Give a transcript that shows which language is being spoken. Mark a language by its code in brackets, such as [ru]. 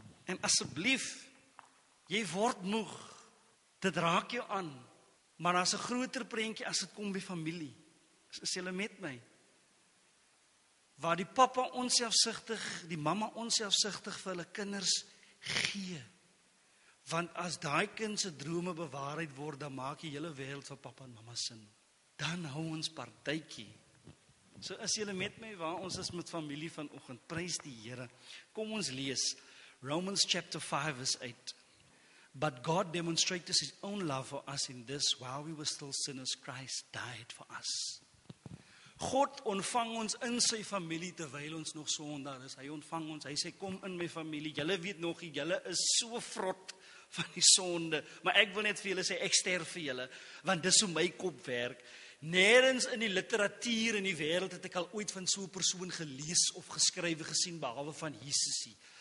[af] En asseblief, jy word moeg, dit raak jou aan, maar as 'n groter prentjie as het kom by familie. Is julle met my? Waar die papa onselfsugtig, die mama onselfsugtig vir hulle kinders gee. Want as daai kind se drome bewaarheid word, dan maak die hele wêreld vir papa en mama sin. Dan hou ons partytjie. So is julle met my waar ons is met familie vanoggend. Prys die Here. Kom ons lees [en] Romans chapter 5 verse 8. But God demonstrated his own love for us in this, while we were still sinners, Christ died for us. [af] God ontvang ons in sy familie terwyl ons nog sondaar is. Hy ontvang ons. Hy sê kom in my familie. Julle weet nog, julle is so vrot van die sonde, maar ek wil net vir julle sê ek sterf vir julle, want dis hoe my kop werk. Nêrens in die literatuur in die wêreld het ek al ooit van so 'n persoon gelees of geskrywe gesien behalwe van Jesus nie.